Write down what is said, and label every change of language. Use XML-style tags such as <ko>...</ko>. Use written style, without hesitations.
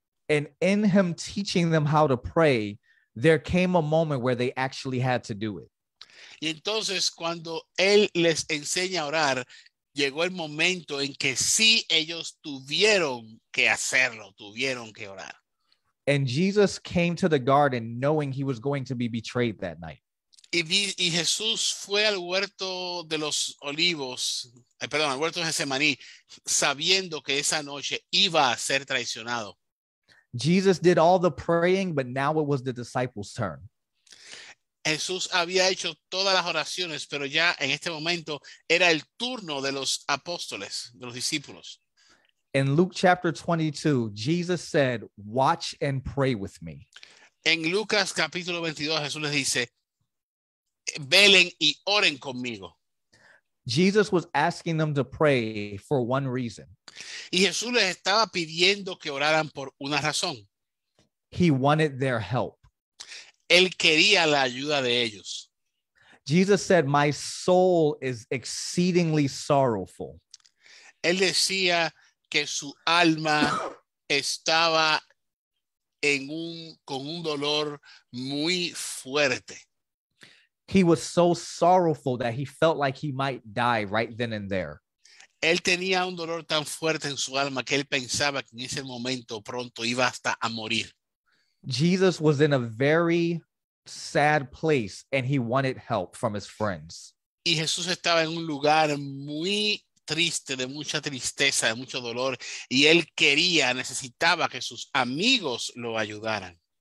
<en>And in him teaching them how to pray, there came a moment where they actually had to do it.</en> <es>Y entonces cuando él les enseña a orar, llegó el momento en que sí ellos tuvieron que hacerlo, tuvieron que orar.</es> <en>And Jesus came to the garden knowing he was going to be betrayed that night.</en> <es>Y Jesús fue al huerto de los olivos, perdón, al huerto de Getsemaní, sabiendo que esa noche iba a ser traicionado.</es> <en>Jesus did all the praying, but now it was the disciples' turn.</en> <es>Jesús había hecho todas las oraciones, pero ya en este momento era el turno de los apóstoles, de los discípulos.</es> <en>In Luke chapter 22, Jesus said, "Watch and pray with me."</en> <es>En Lucas capítulo 22, Jesús les dice, "Velen y oren conmigo."</es> <en>Jesus was asking them to pray for one reason.</en> <es>Y Jesús les estaba pidiendo que oraran por una razón.</es> <en>He wanted their help.</en> <es>Él quería la ayuda de ellos.</es> <en>Jesus said, "My soul is exceedingly sorrowful."</en> <es>Él decía que su alma estaba con un dolor muy fuerte.</es> <en>He was so sorrowful that he felt like he might die right then and there.</en> <es>Él tenía un dolor tan fuerte en su alma que él pensaba que en ese momento pronto iba hasta a morir.</es> <en>Jesus was in a very sad place and he wanted help from his friends.</en> <es>Y Jesús estaba en un lugar muy triste, de mucha tristeza, de mucho dolor, y él quería, necesitaba que sus amigos lo ayudaran.</es>